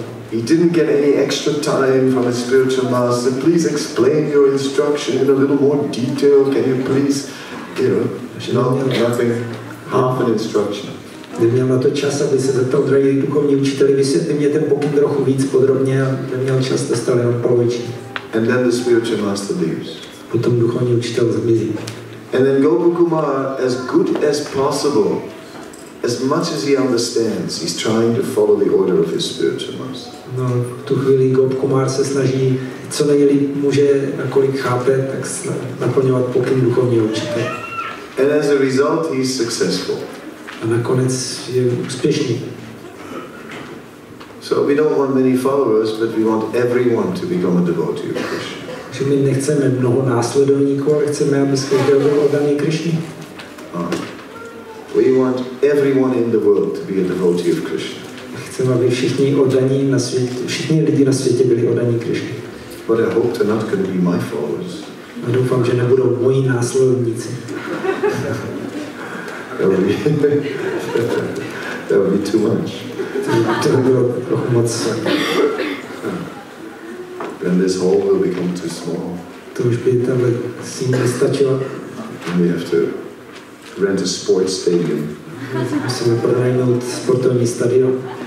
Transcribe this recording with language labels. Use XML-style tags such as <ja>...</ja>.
<en>He didn't get any extra time from his spiritual master. Please explain your instruction in a little more detail. Can you please, nothing, half an instruction.</en> <cs>Neměl na to čas, aby se zeptal drahý duchovní učiteli, vysvětli mě ten pokyn trochu víc podrobně a neměl čas, to stalo jenom poloviční.</cs> <en>And then the spiritual master leaves.</en> <cs>Potom duchovní učitel zmizí.</cs> <en>And then Gopal Kumar, as good as possible, as much as he understands, he's trying to follow the order of his spiritual master.</en> <cs>No, v tu chvíli Gopal Kumar se snaží, co nejlíp může a kolik chápe, tak naplňovat pokyn duchovního učitele.</cs> <en>And as a result, he's successful.</en> <cs>A nakonec je úspěšný.</cs> <en>So we don't want many followers, but we want everyone to become a devotee of Krishna.</en> <cs>Že my nechceme mnoho následovníků, ale chceme, aby se každý byl oddaný Krišně.</cs> <en>We want everyone in the world to be a devotee of Krishna.</en> <cs>Chceme, aby všichni oddaní na světě, všichni lidi na světě byli oddaní Krišně.</cs> <en>But I hope they're not going to be my followers.</en> <cs>A doufám, že nebudou moji následovníci.</cs> <en>That would be too much.</en> <cs>To by bylo trochu moc.</cs> <en>Then this hole will become too small.</en> <cs>To už by tam síň nestačila.</cs> <en>And we have to rent a sports stadium.</en> <cs>Musíme pronajmout sportovní stadion.</cs>